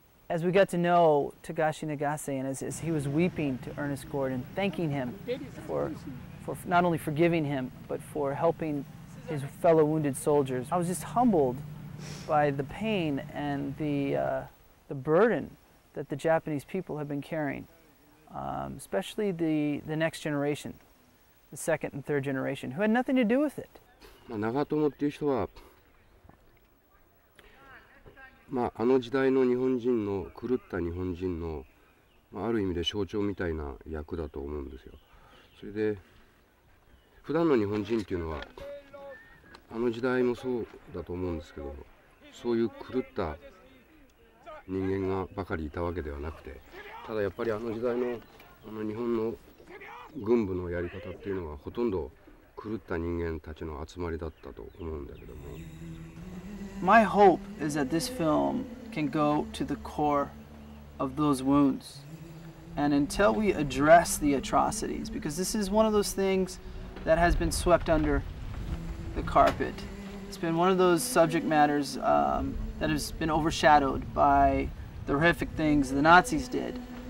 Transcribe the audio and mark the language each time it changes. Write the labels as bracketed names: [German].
[English] As we got to know Takashi Nagase, and as he was weeping to Ernest Gordon, thanking him for not only forgiving him, but for helping his fellow wounded soldiers, I was just humbled by the pain and the burden that the Japanese people have been carrying, especially the next generation, the second and third generation, who had nothing to do with it. [Japanese] Nagatomo っていう人は、まあ、あの時代の日本人の狂った日本人の、まあ、ある意味で象徴みたいな役だと思うんですよ。それで普段の日本人っていうのはあの時代もそうだと思うんですけど、そういう狂った人間がばかりいたわけではなくて、ただやっぱりあの時代のあの日本の軍部のやり方っていうのはほとんど狂った人間たちの集まりだったと思うんだけども。 [English] My hope is that this film can go to the core of those wounds. And until we address the atrocities, because this is one of those things that has been swept under the carpet. It's been one of those subject matters that has been overshadowed by the horrific things the Nazis did.